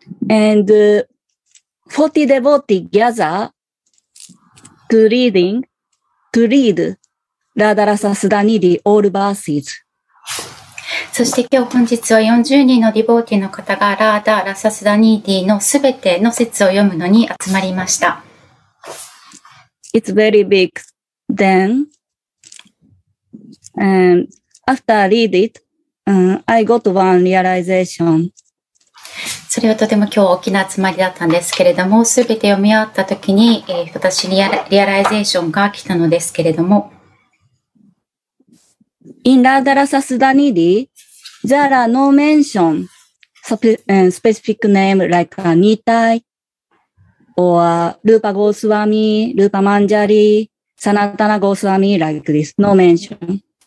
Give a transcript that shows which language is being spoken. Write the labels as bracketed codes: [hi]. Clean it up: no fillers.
[en] And 40 devotees gather to reading, to read. ラダラサスダニディオールバーシーズ。 [ja] そして今日本日は40人のディボーティの方がラダラサスダニディのすべての説を読むのに集まりました。 [en] It's very big. Then, after read it, I got one realization. [ja] それはとても今日大きな集まりだったんですけれども、すべて読み終わった時に、私にリアライゼーションが来たのですけれども、 [en] In Radhara Sasudanidhi, there are no mention specific name like Nitai or Rupa Goswami, Rupa Manjari, Sanatana Goswami like this. No mention.